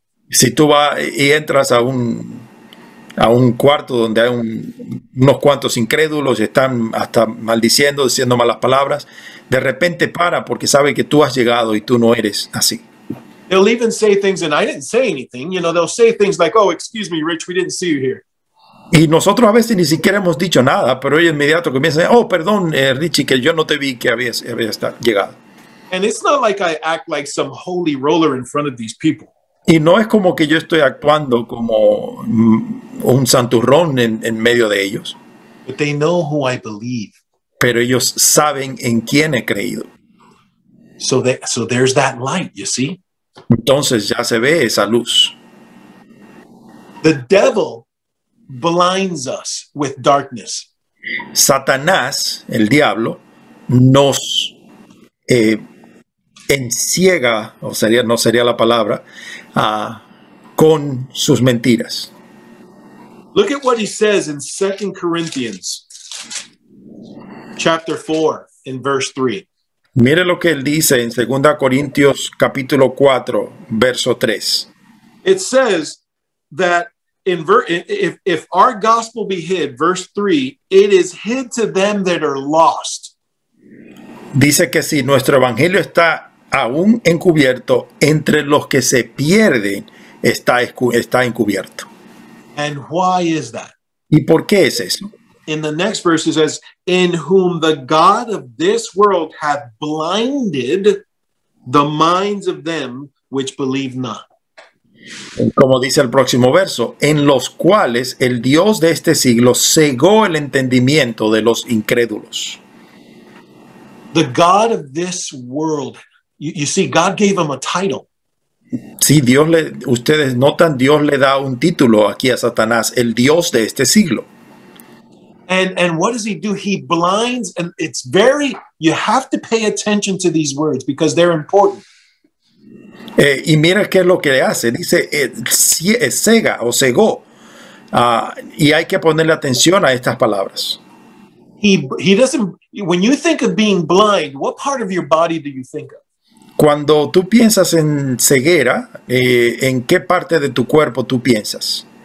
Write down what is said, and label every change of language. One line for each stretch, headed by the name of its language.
Spanish: Si tú vas y entras a un cuarto donde hay unos cuantos incrédulos, están hasta maldiciendo, diciendo malas palabras, de repente para porque sabe que tú has llegado y tú no eres así.
English: They'll even say things, and I didn't say anything. You know, they'll say things like, oh, excuse me, Rich, we didn't see you here.
Spanish: Y nosotros a veces ni siquiera hemos dicho nada, pero ellos inmediato comienzan, oh, perdón, Richie, que yo no te vi que habías llegado.
English: And it's not like I act like some holy roller in front of these people.
Spanish: Y no es como que yo estoy actuando como un santurrón en medio de ellos.
English: But they know who I believe.
Spanish: Pero ellos saben en quién he creído.
English: So there's that light, you see?
Spanish: Entonces ya se ve esa luz.
English: The devil blinds us with darkness.
Spanish: Satanás, el diablo, nos enciega, o sería, no sería la palabra, con sus mentiras.
English: Look at what he says in 2 Corinthians chapter 4 in verse 3.
Spanish: Mire lo que él dice en 2 Corintios capítulo 4 verso 3.
English: It says that if our gospel be hid, verse 3, it is hid to them that are lost.
Spanish: Dice que si nuestro evangelio está aún encubierto, entre los que se pierden está encubierto.
English: And why is that?
Spanish: ¿Y por qué es eso?
English: In the next verse it says, in whom the God of this world hath blinded the minds of them which believe not.
Spanish: Como dice el próximo verso, en los cuales el Dios de este siglo cegó el entendimiento de los incrédulos.
English: The God of this world. You see, God gave him a title.
Spanish: Sí, Dios le, ustedes notan, Dios le da un título aquí a Satanás, el Dios de este siglo.
English: And what does he do? He blinds, and it's very, you have to pay attention to these words because they're important.
Spanish: Y mira qué es lo que le hace. Dice, cega o cegó. Y hay que ponerle atención a estas palabras.
English: He doesn't, when you think of being blind, what part of your body do you think of?
Spanish: Cuando tú piensas en ceguera, ¿en qué parte de tu cuerpo tú piensas?